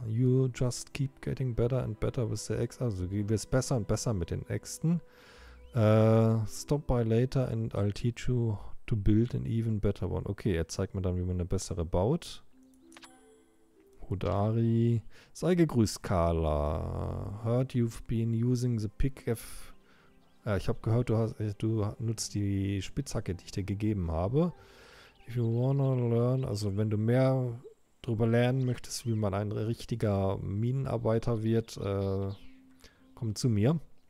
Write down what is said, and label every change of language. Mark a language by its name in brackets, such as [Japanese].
[English] You just keep getting better and better with the Axe. [German] Also, du wirst besser und besser mit den Äxten. [English] Stop by later and I'll teach you to build an even better one. [German] Okay, er zeigt mir dann, wie man eine bessere baut. Hudari, sei gegrüßt, Carla. [English] Heard you've been using the pickaxe. [German] Ich habe gehört, du nutzt die Spitzhacke, die ich dir gegeben habe. [English] If you wanna learn, [German] also wenn du mehr drüber lernen möchtest, wie man ein richtiger Minenarbeiter wird, komm zu mir.